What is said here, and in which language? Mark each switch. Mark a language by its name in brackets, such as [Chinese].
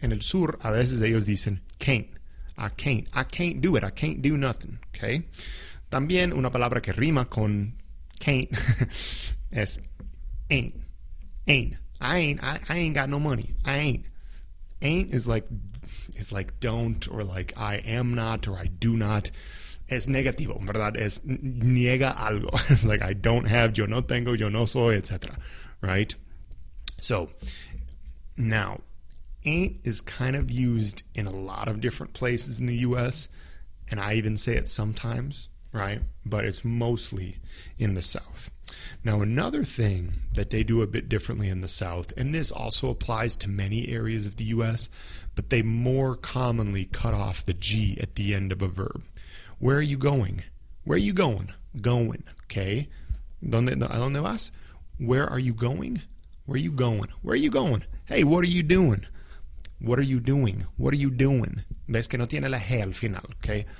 [Spanish] En el sur, a veces ellos dicen can't. [English] I can't. I can't do it. I can't do nothing. Okay? [Spanish] También una palabra que rima con can't es ain't. [English] Ain't. I ain't got no money. I ain't. Ain't is like don't or like I am not or I do not. [Spanish] Es negativo, ¿verdad? Es niega algo. [English] It's like I don't have, [Spanish] yo no tengo, yo no soy, etc. [English] Right? So, now, ain't is kind of used in a lot of different places in the U.S., and I even say it sometimes, right? But it's mostly in the South. Now, another thing that they do a bit differently in the South, and this also applies to many areas of the U.S., but they more commonly cut off the G at the end of a verb. Where are you going? Where are you going? Going, okay? [Spanish] ¿Dónde vas? [English] Where are you going? Where are you going? Where are you going? Hey, what are you doing? What are you doing? What are you doing? [Spanish] Ves que no tiene la G al final, okay?